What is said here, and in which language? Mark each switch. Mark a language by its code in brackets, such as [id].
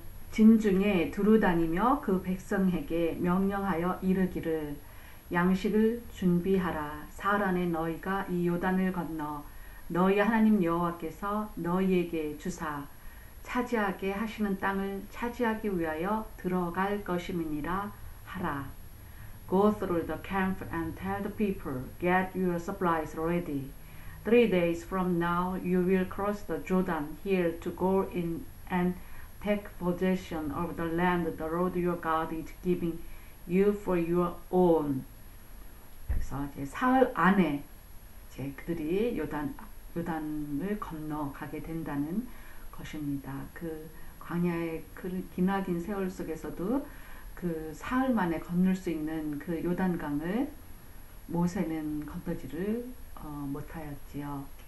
[ko] 진중에 두루 다니며 그 백성에게 명령하여 이르기를 양식을 준비하라. 사흘 안에 너희가 이 요단을 건너 너희 하나님 여호와께서 너희에게 주사 차지하게 하시는 땅을 차지하기 위하여 들어갈 것임이니라 하라. [en] Go through the camp and tell the people, get your supplies ready. 3 days from now, you will cross the Jordan here to go in and take possession of the land the Lord your God is giving you for your own. [ko] 그래서 이제 사흘 안에 이제 그들이 요단을 건너가게 된다는 것입니다. 그 광야의 그 기나긴 세월 속에서도 그 사흘 만에 건널 수 있는 그 요단강을 모세는 건너지를 못하였지요.